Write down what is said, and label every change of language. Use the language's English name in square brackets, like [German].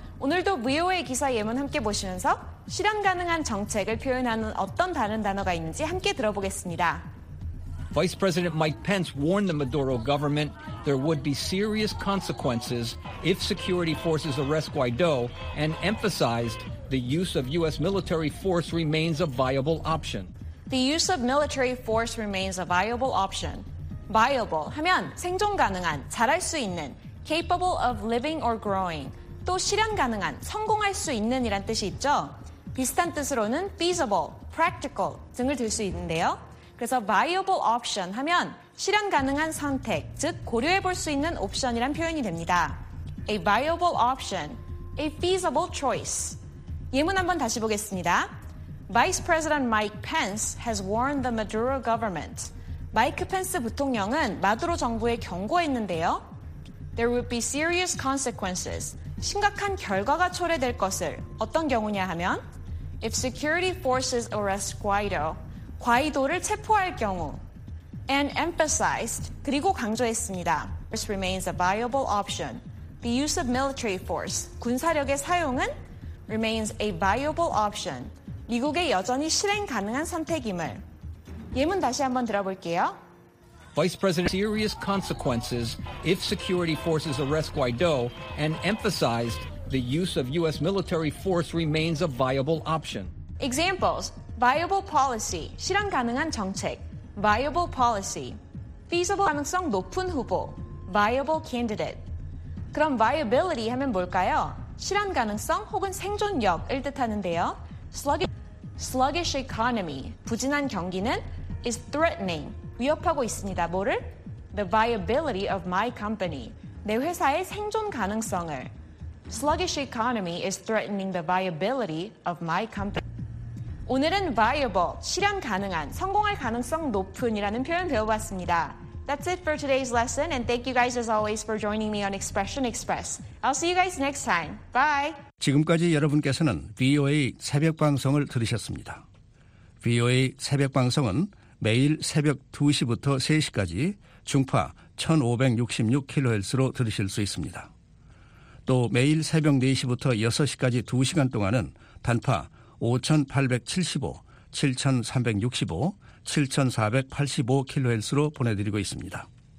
[Korean] 오늘도 VOA 기사 예문 함께 보시면서 실현 가능한 정책을 표현하는 어떤 다른 단어가 있는지 함께 들어보겠습니다. [English] Vice President Mike Pence warned the Maduro government there would be serious consequences if security forces arrest Guaido and emphasized the use of U.S. military force remains a viable option. The use of military force remains a viable option. [Korean] Viable 하면 생존 가능한, 잘할 수 있는, [English] capable of living or growing, [Korean] 또 실현 가능한, 성공할 수 있는 이란 뜻이 있죠. 비슷한 뜻으로는 feasible, practical 등을 들 수 있는데요. 그래서 viable option 하면 실현 가능한 선택, 즉 고려해 볼 수 있는 옵션이란 표현이 됩니다. [English] A viable option, a feasible choice. [Korean] 예문 한번 다시 보겠습니다. [English] Vice President Mike Pence has warned the Maduro government. [Korean] 마이크 펜스 부통령은 마두로 정부에 경고했는데요. [English] There would be serious consequences. [Korean] 심각한 결과가 초래될 것을. 어떤 경우냐 하면 [English] If security forces arrest Guaido, [Korean] 과이도를 체포할 경우 [English] And emphasized, [Korean] 그리고 강조했습니다. [English] This remains a viable option. The use of military force, [Korean] 군사력의 사용은 [English] Remains a viable option. [Korean] 미국의 여전히 실행 가능한 선택임을. 예문 다시 한번 들어볼게요. [English] Vice President, serious consequences if security forces arrest Guaido and emphasized the use of U.S. military force remains a viable option. Examples, viable policy, [Korean] 실현 가능한 정책, [English] viable policy, feasible [Korean] 가능성 높은 후보, [English] viable candidate. [Korean] 그럼 viability 하면 뭘까요? 실현 가능성 혹은 생존력을 뜻하는데요. [English] Sluggish economy, [Korean] 부진한 경기는 [English] is threatening, [Korean] 위협하고 있습니다. 뭐를? [English] The viability of my company, [Korean] 내 회사의 생존 가능성을. [English] Sluggish economy is threatening the viability of my company. [Korean] 오늘은 viable, 실현 가능한, 성공할 가능성 높은이라는 표현 배워봤습니다. [English] That's it for today's lesson, and thank you guys as always for joining me on Expression Express. I'll see you guys next time. Bye! [Korean] 지금까지 여러분께서는 VOA 새벽 방송을 들으셨습니다. VOA 새벽 방송은 매일 새벽 2시부터 3시까지 중파 1566kHz로 들으실 수 있습니다. 또 매일 새벽 4시부터 6시까지 2시간 동안은 단파 5875, 7365, 7485kHz로 보내드리고 있습니다.